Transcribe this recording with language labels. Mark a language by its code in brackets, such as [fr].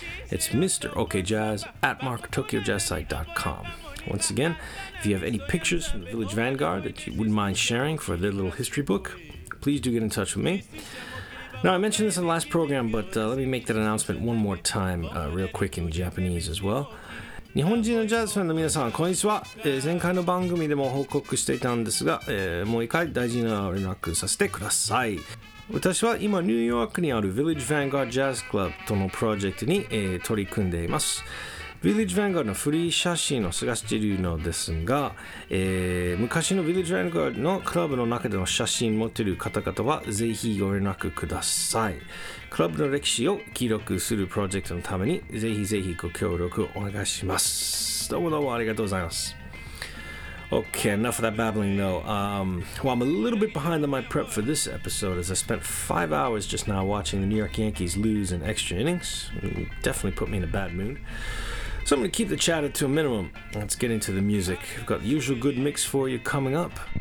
[en] It's mrokjazz@marktokyojazzsite.com. Once again, if you have any pictures from the Village Vanguard that you wouldn't mind sharing for their little history book, please do get in touch with me. Now, I mentioned this in the last program, but let me make that announcement one more time, real quick in Japanese as well. [ja] 日本人のジャズファンの皆さん、こんにちは。前回の番組でも報告していたんですが、もう一回大事な連絡させてください。私は今、ニューヨークにある Village Vanguard Jazz Club とのプロジェクトに、取り組んでいます。 Village Vanguard の古い写真を探しているのですが、昔の Village Vanguard のクラブの中での写真を持っている方々は、ぜひご連絡ください。クラブの歴史を記録するプロジェクトのためにぜひぜひご協力お願いします。どうもどうもありがとうございます。 [en] Okay, enough of that babbling though. Well, I'm a little bit behind on my prep for this episode as I spent 5 hours just now watching the New York Yankees lose in extra innings. Definitely put me in a bad mood. So I'm going to keep the chatter to a minimum. Let's get into the music. We've got the usual good mix for you coming up.